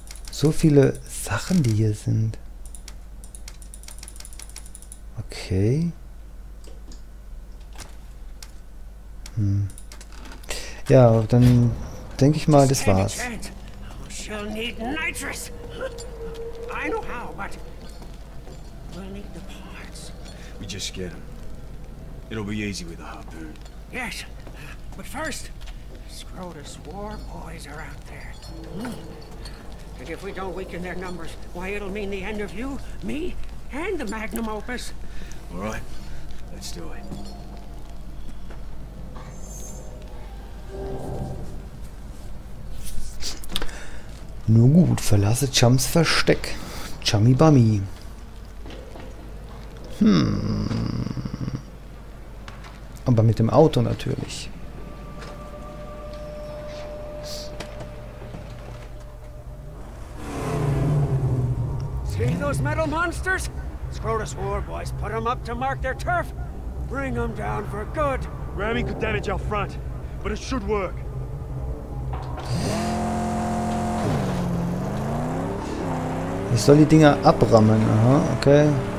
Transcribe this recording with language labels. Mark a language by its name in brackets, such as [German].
[German] So viele Sachen, die hier sind. Okay. Hm. Ja, dann denke ich mal, das war's. [English] She'll need nitrous. I know how, but we'll need the parts. We just get them. It'll be easy with the harpoon. Yes, but first, Scrotus war boys are out there. Mm. And if we don't weaken their numbers, why, it'll mean the end of you, me, and the magnum opus. All right, let's do it. [German] Nun gut, verlasse Chums Versteck. Chummy Bummy. Hm. Aber mit dem Auto natürlich. [English] See those metal monsters? Scrotus War Boys put them up to mark their turf. Bring them down for good. Ramming could damage our front, but it should work. [German] Ich soll die Dinger abrammen, aha, okay.